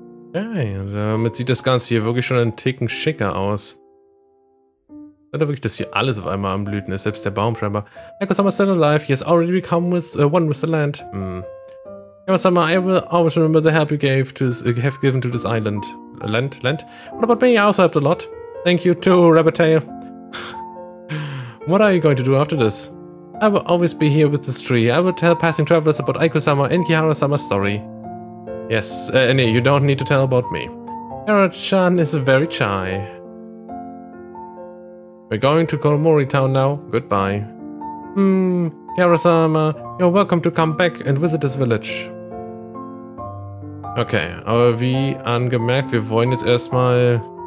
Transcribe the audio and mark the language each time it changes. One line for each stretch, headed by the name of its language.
German: Okay, damit sieht das Ganze hier wirklich schon ein Ticken schicker aus. Ist wirklich, dass hier alles auf einmal am Blüten ist, selbst der Baum scheinbar.
English: Echo Summer still alive, he has already become with, one with the land. Echo Summer, I will always remember the help you gave to have given to this island. Land? What about me? I also helped a lot. Thank you too, Rabbit Tail. What are you going to do after this? I will always be here with this tree. I will tell passing travelers about Echo Summer and Kihara Summer's story. Yes, anyway, you don't need to tell about me. Era-chan is very shy. We're going to Komori Town now. Goodbye. Kihara-sama, you're welcome to come back and visit this village.
German: Okay, aber wie angemerkt, wir wollen jetzt erstmal...